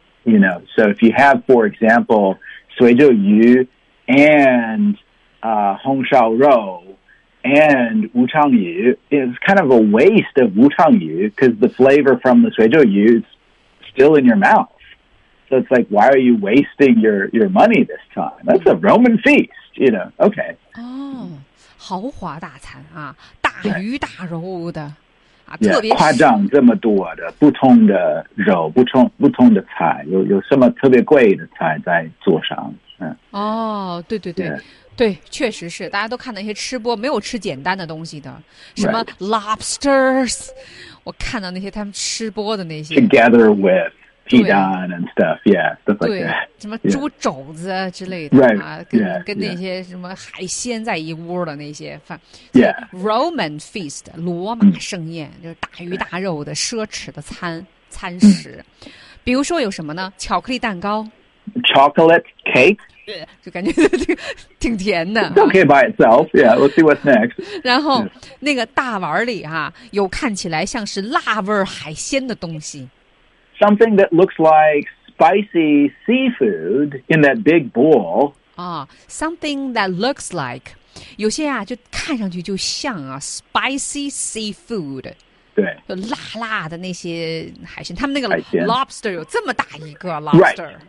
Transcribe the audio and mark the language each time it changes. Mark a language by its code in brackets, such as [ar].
[en] You know, so if you have, for example, suizhou yu and hongshao rou and wuchang yu, it's kind of a waste of wuchang yu because the flavor from the suizhou yu is still in your mouth. So it's like, why are you wasting your money this time? That's a Roman feast, you know. Okay. Oh, [zh] 豪华大餐啊，大鱼大肉的。 [en] Right. [zh] 夸张这么多的不同的肉不同的菜有什么特别贵的菜在桌上、嗯、哦对对对、 [en] yeah. [zh] 对确实是大家都看那些吃播没有吃简单的东西的什么 lobsters、 [en] right. [zh] 我看到那些他们吃播的那些 [en] together with pidan and stuff yeah stuff like that [zh] 对什么猪肘子之类的、 [en] right. [zh] 啊、 [en] yeah. [zh] 跟那些什么海鲜在一窝的那些饭 [en] yeah Roman feast [zh] 罗马盛宴、mm. 就是大鱼大肉的奢侈的餐食、mm. 比如说有什么呢巧克力蛋糕 [en] chocolate cake [zh] 就感觉挺甜的 [en] it's okay by itself yeah we'll see what's next [zh] 然后、 [en] yes. [zh] 那个大碗里啊有看起来像是辣味海鲜的东西 [en] Something that looks like spicy seafood in that big bowl. Ah,、something that looks like. [zh] 有些啊就看上去就像啊 [en] spicy seafood. [zh] 对。就辣辣的那些海鲜。他们那个 lobster 有这么大一个 lobster.